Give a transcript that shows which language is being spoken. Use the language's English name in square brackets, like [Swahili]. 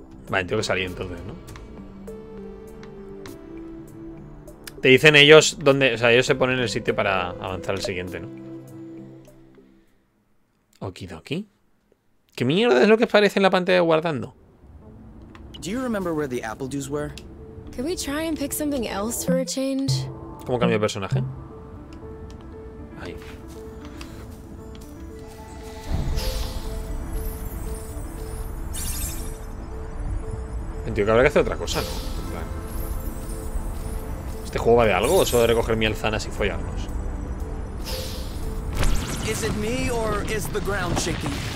[Spanish] Vale, tengo que salir entonces, ¿no? Te dicen ellos dónde, o sea, ellos se ponen en el sitio para avanzar al siguiente, ¿no? Okidoki. ¿Qué mierda es lo que aparece en la pantalla guardando? [English] Do you remember where the apple juice were? Can we try and pick something else for a change? [Spanish] ¿Cómo cambio de personaje? Ahí. Entiendo que habrá que hacer otra cosa, ¿no? ¿Este juego va de algo o solo de recoger mielzanas y follarnos? [English] Is it me or is the ground shaking?